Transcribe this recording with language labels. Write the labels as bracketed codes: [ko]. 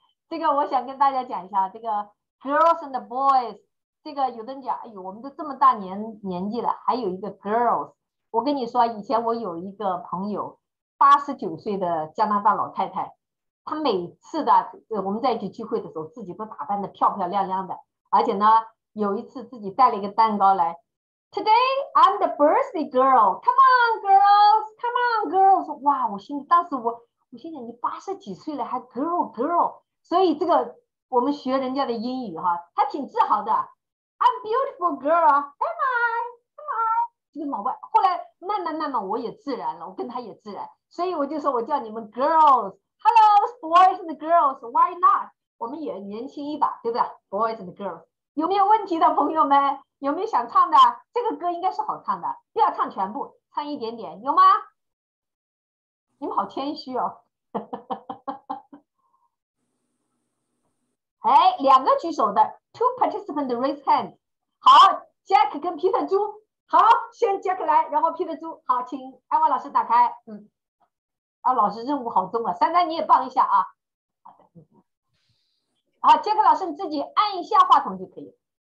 [zh] 这个我想跟大家讲一下，这个 [en] girls and boys， [zh] 这个有的人讲，哎呦，我们都这么大年纪了，还有一个 girls。我跟你说，以前我有一个朋友，89岁的加拿大老太太，她每次的我们在一起聚会的时候，自己都打扮的漂漂亮亮的，而且呢，有一次自己带了一个蛋糕来， [en] Today I'm the birthday girl. Come on, girls. Come on, girls. [zh] 哇，我心里当时我心想，你八十几岁了还 girl girl， 所以这个我们学人家的英语哈，还挺自豪的。 [en] I'm beautiful girl. Am I? Am I? [zh] 这个老外后来慢慢慢慢我也自然了，我跟他也自然，所以我就说我叫你们 girls. [en] Hello, boys and girls. Why not? [zh] 我们也年轻一把，对不对 ？ [en] Boys and girls， [zh] 有没有问题的朋友们？有没有想唱的？这个歌应该是好唱的，不要唱全部，唱一点点，有吗？你们好谦虚哦。哎，两个举手的 ， [en] two participants raise hand。 [zh] 好 ，Jack 跟 Peter 猪，好，先 Jack 来，然后 Peter 猪，好，请艾娃老师打开。嗯，啊，老师任务好重啊，珊珊你也帮一下啊。好 ，Jack 老师你自己按一下话筒就可以。